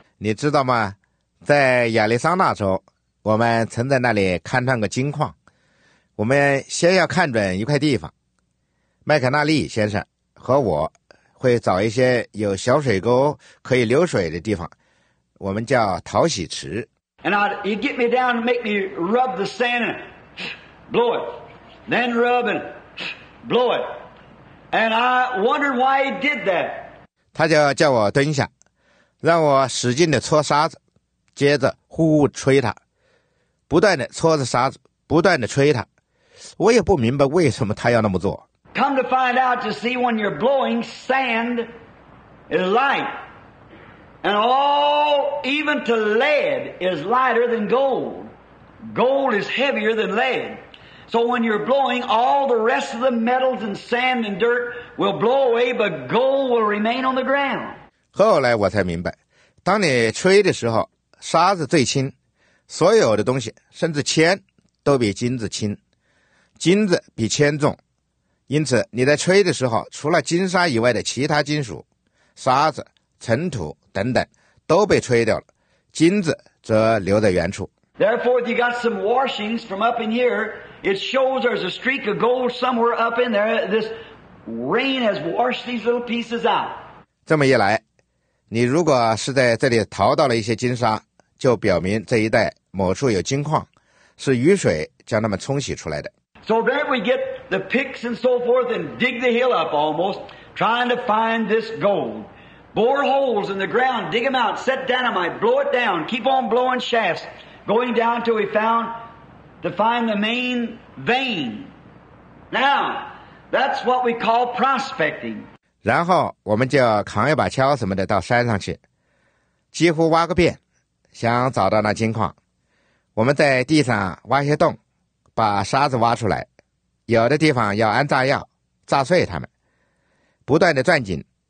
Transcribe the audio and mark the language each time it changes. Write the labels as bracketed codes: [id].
[zh] 你知道吗？在亚利桑那州，我们曾在那里勘探个金矿。我们先要看准一块地方。麦肯纳利先生和我会找一些有小水沟可以流水的地方，我们叫淘洗池。 [en] And he'd get me down and make me rub the sand and blow it. Then rub and blow it. And I wondered why he did that. [zh] 他就叫我蹲下，让我使劲地搓沙子，接着呼呼吹它，不断地搓着沙子，不断地吹它。我也不明白为什么他要那么做。 [en] Come to find out, to see when you're blowing, sand is light. And all, even to lead, is lighter than gold. Gold is heavier than lead. So when you're blowing, all the rest of the metals and sand and dirt will blow away, but gold will remain on the ground. [zh] 后来我才明白，当你吹的时候，沙子最轻，所有的东西，甚至铅，都比金子轻，金子比铅重。因此你在吹的时候，除了金沙以外的其他金属、沙子、尘土等等都被吹掉了，金子则留在原处。 [en] Therefore, if you got some washings from up in here, it shows there's a streak of gold somewhere up in there. This rain has washed these little pieces out. [zh] 这么一来，你如果是在这里淘到了一些金沙，就表明这一带某处有金矿，是雨水将它们冲洗出来的。 [en] So then we get the picks and so forth and dig the hill up almost, trying to find this gold. Bore holes in the ground, dig them out, set dynamite, blow it down, keep on blowing shafts, going down till we found to find the main vein. Now, that's what we call prospecting. [zh] 然后我们就扛一把锹什么的到山上去，几乎挖个遍，想找到那金矿。我们在地上挖些洞，把沙子挖出来，有的地方要安炸药，炸碎它们，不断的钻井。